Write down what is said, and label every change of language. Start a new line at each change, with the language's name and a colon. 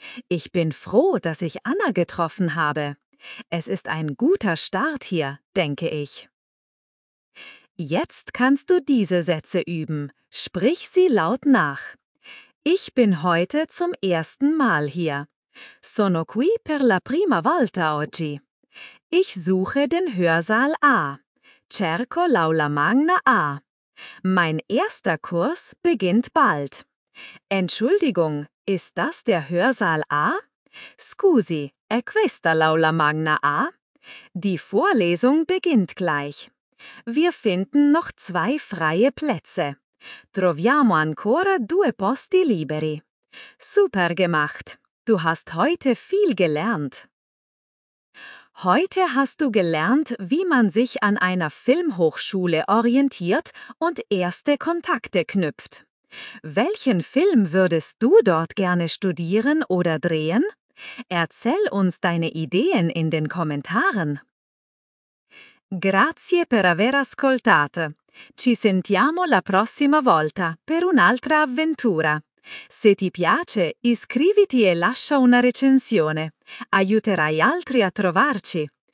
German: Ich bin froh, dass ich Anna getroffen habe. Es ist ein guter Start hier, denke ich. Jetzt kannst du diese Sätze üben. Sprich sie laut nach. Ich bin heute zum ersten Mal hier.
Italian: Sono qui per la prima volta oggi.
German: Ich suche den Hörsaal A.
Italian: Cerco l'aula magna A.
German: Mein erster Kurs beginnt bald. Entschuldigung, ist das der Hörsaal A?
Italian: Scusi, è questa l'aula magna A?
German: Die Vorlesung beginnt gleich. Wir finden noch zwei freie Plätze.
Italian: Troviamo ancora due posti liberi.
German: Super gemacht. Du hast heute viel gelernt. Heute hast du gelernt, wie man sich an einer Filmhochschule orientiert und erste Kontakte knüpft. Welchen Film würdest du dort gerne studieren oder drehen? Erzähl uns deine Ideen in den Kommentaren.
Italian: Grazie per aver ascoltato. Ci sentiamo la prossima volta per un'altra avventura. Se ti piace, iscriviti e lascia una recensione. Aiuterai altri a trovarci.